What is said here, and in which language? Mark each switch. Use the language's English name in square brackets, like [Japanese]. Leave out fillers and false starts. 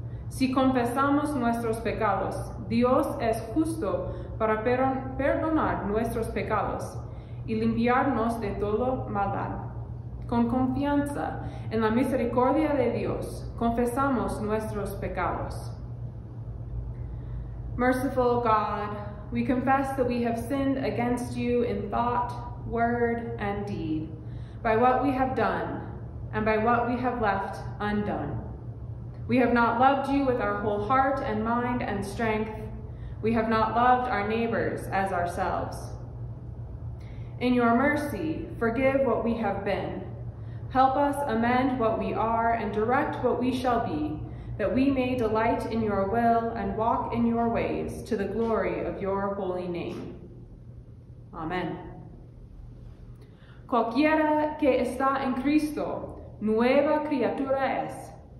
[Spanish] Si confesamos nuestros pecados, Dios es justo para perdonar nuestros pecados y limpiarnos de toda maldad. Con confianza en la misericordia de Dios, confesamos nuestros pecados. [English] Merciful God, we confess that we have sinned against you in thought, word, and deed, by what we have done and by what we have left undone. We have not loved you with our whole heart and mind and strength. We have not loved our neighbors as ourselves. In your mercy, forgive what we have been. Help us amend what we are and direct what we shall be, that we may delight in your will and walk in your ways to the glory of your holy name. Amen. [Spanish] Cualquiera que está en Cristo, nueva criatura es.